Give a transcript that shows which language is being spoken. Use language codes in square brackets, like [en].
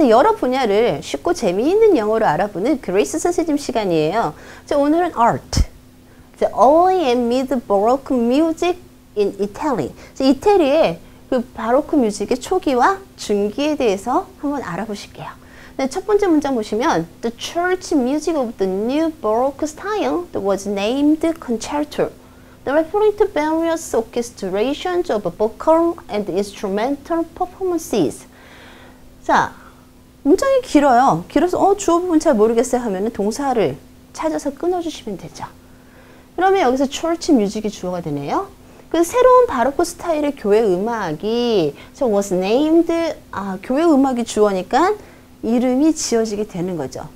[ko] 여러 분야를 쉽고 재미있는 영어로 알아보는 그레이스 선생님 시간이에요. 오늘은 art. [en] The early and mid baroque music in Italy. [ko] 이태리의 그 바로크 뮤직의 초기와 중기에 대해서 한번 알아보실게요. 첫 번째 문장 보시면 [en] The church music of the new baroque style was named concerto. Referring to various orchestrations of vocal and instrumental performances. [ko] 자, 문장이 길어요. 길어서 주어 부분 잘 모르겠어요 하면은 동사를 찾아서 끊어주시면 되죠. 그러면 여기서 church music이 주어가 되네요. 그 새로운 바로크 스타일의 교회 음악이 [en] so was named, [ko] 교회 음악이 주어니까 이름이 지어지게 되는 거죠.